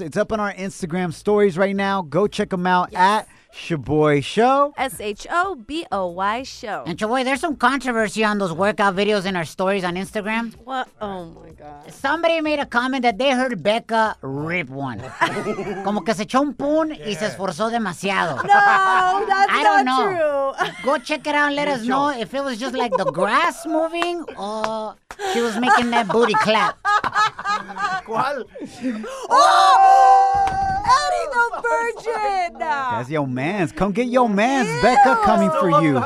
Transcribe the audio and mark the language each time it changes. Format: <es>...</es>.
<en>It's up on our Instagram stories right now. Go check them out at Shaboy Show. S-H-O-B-O-Y Show. And Shaboy, there's some controversy on those workout videos in our stories on Instagram. What? Oh, my God. Somebody made a comment that they heard Becca rip one.</en> <es>Como que se echó un pun y se esforzó demasiado.</es> <en>No, that's I don't not know. True. Go check it out and let us know if it was just like the grass moving or she was making that booty clap.</en> <es>¿Cuál?</es> <en>Oh! Eddie the Virgin! That's your mans. Come get your mans, Becca, coming for you.</en>